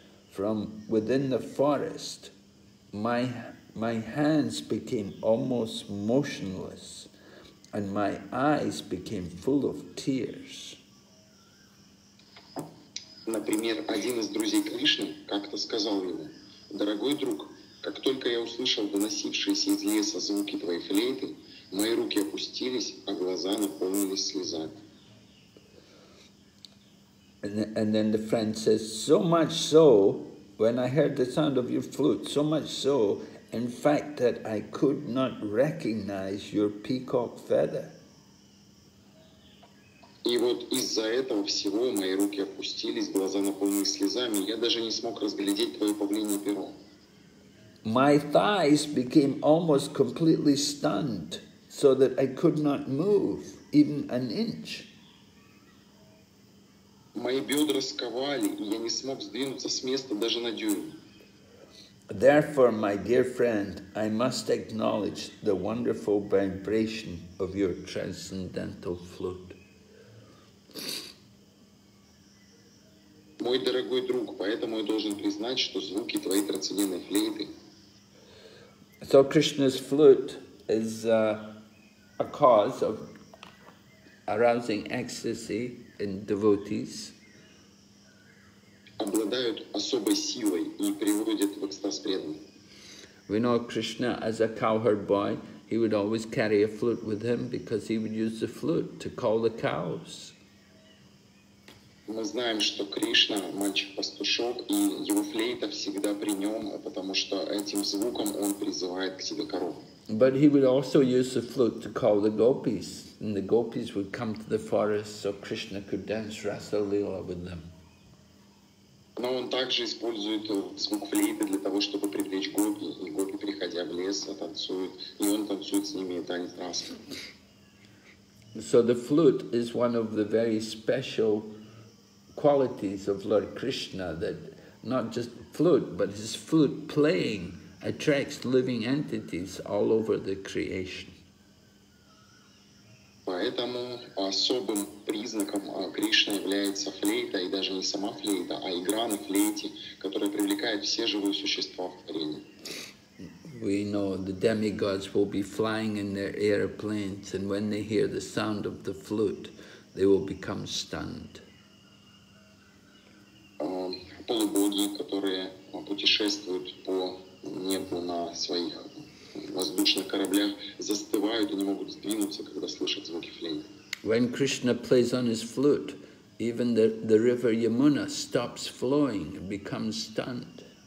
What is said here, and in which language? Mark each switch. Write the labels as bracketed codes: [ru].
[en] from within the forest, my hands became almost motionless, and my eyes became full of tears. [ru] Например, один из друзей Кришны как-то сказал ему: «Дорогой друг, как только я услышал доносившиеся из леса звуки твоей флейты, мои руки опустились, а глаза наполнились слезами». [en] And then the friend says, so much so, when I heard the sound of your flute, so much so, in fact, that I could not recognize your peacock feather. [ru] И вот из-за этого всего мои руки опустились, глаза наполнились слезами, я даже не смог разглядеть твое павлинье перо. [en] My thighs became almost completely stunned, so that I could not move even an inch. [ru] Мои бедра сковали, и я не смог сдвинуться с места даже на дюйм. [en] Therefore, my dear friend, I must acknowledge the wonderful vibration of your transcendental flute. [ru] Мой дорогой друг, поэтому я должен признать, что звуки твоей трансцендентной флейты. [en] So Krishna's flute is a cause of arousing ecstasy in devotees. [ru] Обладают особой силой и приводят в экстаз преданных. [en] We know Krishna as a cowherd boy, he would always carry a flute with him because he would use the flute to call the cows. [ru] Мы знаем, что Кришна мальчик-пастушок, и его флейта всегда при нем, потому что этим звуком он призывает к себе коров. [en] But he would also use the flute to call the gopis, and the gopis would come to the forest so Krishna could dance Rasa Lila with them. [ru] Но он также использует звук флейты для того, чтобы привлечь гопи, и гопи, приходя в лес, танцуют, и он танцует с ними танец Расы. [en] So the flute is one of the very special qualities of Lord Krishna, that not just flute, but his flute playing attracts living entities all over the creation. [ru] Поэтому особым признаком Кришны является флейта, и даже не сама флейта, а игра на флейте, которая привлекает все живые существа в творении. [en] We know the demigods will be flying in their airplanes, and when they hear the sound of the flute, they will become stunned. [ru] Полубоги, которые путешествуют по небу на своих воздушных кораблях, застывают и не могут сдвинуться, когда слышат звуки флейты. [en] When Krishna plays on his flute, even the river Yamuna stops flowing and becomes stunned.